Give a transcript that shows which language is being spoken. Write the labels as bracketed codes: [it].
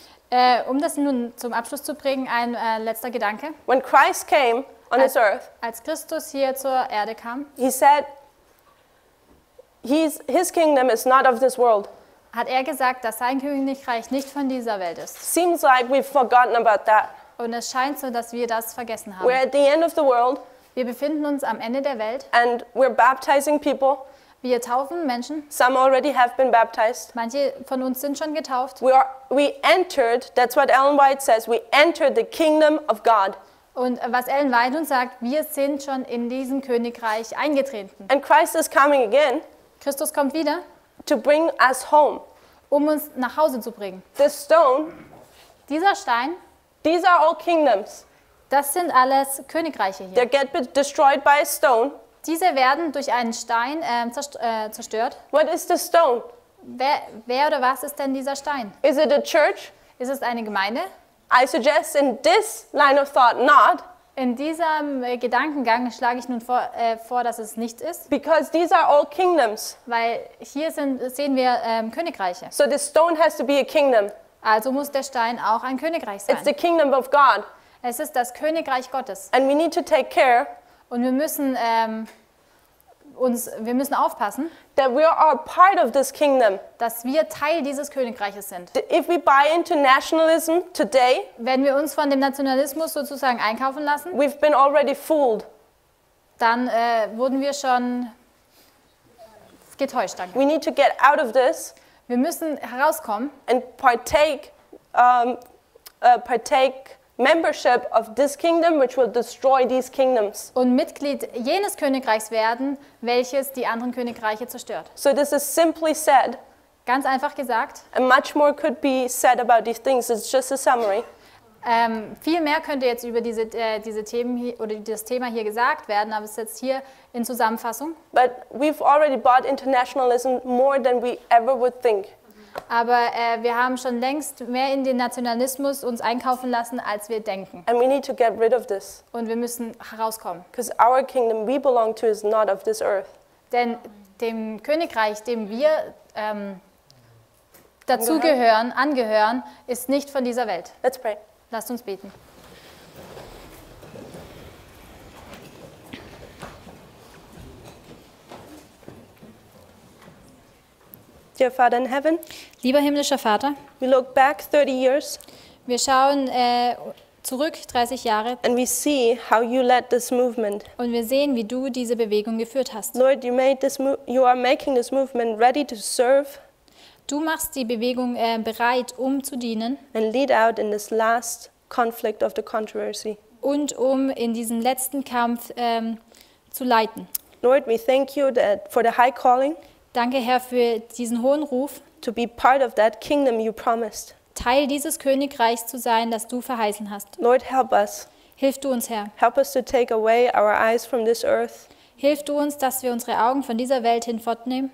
[de] Das nun zum Abschluss zu bringen, ein letzter Gedanke. [en] When Christ came on this earth, [de] als Christus hier zur Erde kam, [en] he said, his kingdom is not of this world. [de] Hat er gesagt, dass sein Königreich nicht von dieser Welt ist. [en] Seems like we've forgotten about that. [de] Und es scheint so, dass wir das vergessen haben. [en] We're at the end of the world. [de] Wir befinden uns am Ende der Welt. [en] And we're baptizing people. [de] Wir taufen Menschen. [en] Some already have been baptized. [de] Manche von uns sind schon getauft. [en] We entered, that's what Ellen White says, we entered the kingdom of God. [de] Und was Ellen White uns sagt, wir sind schon in diesem Königreich eingetreten. [en] And Christ is coming again. [de] Christus kommt wieder. [en] To bring us home. [de] Um uns nach Hause zu bringen. [en] This stone. [de] Dieser Stein. [en] These are all kingdoms. [de] Das sind alles Königreiche hier. [en] They get destroyed by a stone. [de] Diese werden durch einen Stein zerstört. [en] What is the stone? [de] Wer oder was ist denn dieser Stein? [en] Is it a church? [de] Ist es eine Gemeinde? [en] I suggest in this line of thought not. [de] In diesem Gedankengang schlage ich nun vor, dass es nichts ist. [en] Because these are all kingdoms. [de] Weil hier sehen wir Königreiche. [en] So the stone has to be a kingdom. [de] Also muss der Stein auch ein Königreich sein. [en] It's the kingdom of God. [de] Es ist das Königreich Gottes. [en] And we need to take care. [de] Und wir müssen aufpassen. [en] That we are part of this kingdom. [de] Dass wir Teil dieses Königreiches sind. [en] If we buy into nationalism today, [de] wenn wir uns von dem Nationalismus sozusagen einkaufen lassen, [en] we've been already fooled. [de] Dann wurden wir schon getäuscht. Danke. [en] We need to get out of this. [de] Wir müssen herauskommen. [en] And partake membership of this kingdom, which will destroy these kingdoms. [de] Und Mitglied jenes Königreichs werden, welches die anderen Königreiche zerstört. [en] So this is simply said. [de] Ganz einfach gesagt. [en] And much more could be said about these things. It's just a summary. [de] Viel mehr könnte jetzt über diese Themen oder das Thema hier gesagt werden, aber es ist jetzt hier in Zusammenfassung. [en] But we've already bought internationalism more than we ever would think. [de] Aber wir haben schon längst mehr in den Nationalismus uns einkaufen lassen, als wir denken. [en] And we need to get rid of this. [de] Und wir müssen herauskommen. [en] Because our kingdom we belong to is not of this earth. [de] Denn dem Königreich, dem wir dazugehören, angehören, ist nicht von dieser Welt. [en] Let's pray. [de] Lasst uns beten. [en] Dear Father in heaven, [de] lieber himmlischer Vater, [en] we look back 30 years, [de] wir schauen zurück 30 Jahre, [en] and we see how you led this movement. [de] Und wir sehen, wie du diese Bewegung geführt hast. [en] Lord, you made this you are making this movement ready to serve. [de] Du machst die Bewegung bereit, um zu dienen. [en] And lead out in this last conflict of the controversy. [de] Und um in diesen letzten Kampf zu leiten. [en] Lord, we thank you that for the high calling. [de] Danke, Herr, für diesen hohen Ruf. [en] To be part of that kingdom you promised. [de] Teil dieses Königreichs zu sein, das du verheißen hast. [en] Lord, help us. [de] Hilf du uns, Herr. [en] Help us to take away our eyes from this earth. [de] Hilf du uns, dass wir unsere Augen von dieser Welt hin fortnehmen.